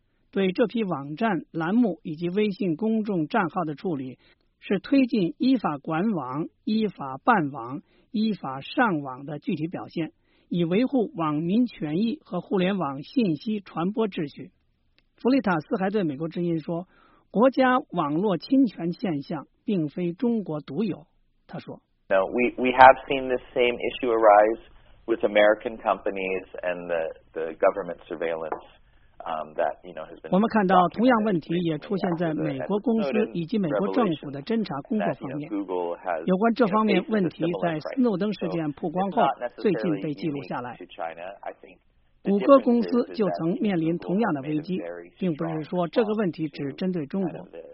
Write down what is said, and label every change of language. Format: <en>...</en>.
<zh>对这批网站栏目以及微信公众账号的处理，是推进依法管网、依法办网、依法上网的具体表现，以维护网民权益和互联网信息传播秩序。弗里塔斯还对美国之音说，国家网络侵权现象并非中国独有。他说</zh> <en>Now, we have seen the same issue arise with American companies and the government surveillance.</en> <zh>我们看到同样问题也出现在美国公司以及美国政府的侦查工作方面。有关这方面问题在斯诺登事件曝光后最近被记录下来。谷歌公司就曾面临同样的危机，并不是说这个问题只针对中国。</zh>